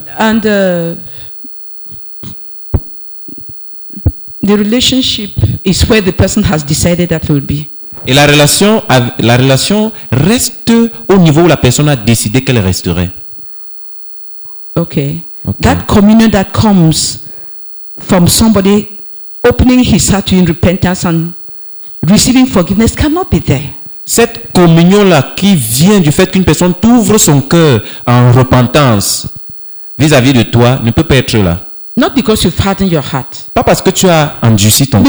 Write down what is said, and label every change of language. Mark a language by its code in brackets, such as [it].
[en] And the relationship is where the person has decided that will be. [fr] Et la relation reste au niveau où la personne a décidé qu'elle resterait. [en] Okay. That communion that comes from somebody opening his heart to in repentance and receiving forgiveness cannot be there. [fr] Cette communion là qui vient du fait qu'une personne t'ouvre son cœur en repentance vis-à-vis de toi ne peut pas être là. [en] Not because you've hardened your heart. [fr] Pas parce que tu as endurci ton cœur.